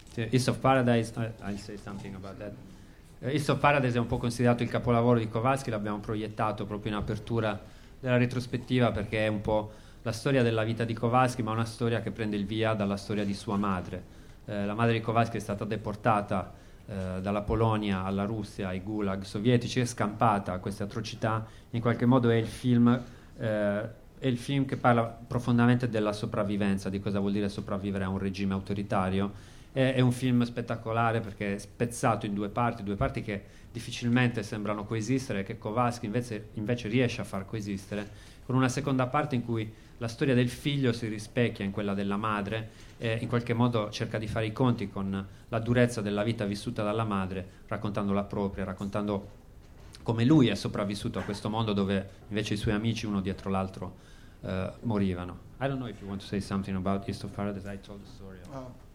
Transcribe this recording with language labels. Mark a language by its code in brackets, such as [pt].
[en] East of Paradise, I'll say something about that. [it] East of Paradise è un po' considerato il capolavoro di Kowalski, l'abbiamo proiettato proprio in apertura della retrospettiva perché è un po' la storia della vita di Kowalski, ma una storia che prende il via dalla storia di sua madre. La madre di Kowalski è stata deportata dalla Polonia alla Russia, ai gulag sovietici, è scampata a queste atrocità. In qualche modo è il film che parla profondamente della sopravvivenza, di cosa vuol dire sopravvivere a un regime autoritario. È un film spettacolare perché è spezzato in due parti che difficilmente sembrano coesistere, che Kowalski invece riesce a far coesistere, con una seconda parte in cui la storia del figlio si rispecchia in quella della madre e in qualche modo cerca di fare i conti con la durezza della vita vissuta dalla madre, raccontando la propria, raccontando come lui è sopravvissuto a questo mondo dove invece i suoi amici uno dietro l'altro morivano. [en] I don't know if you want to say something about East of Paradise. I told the story of...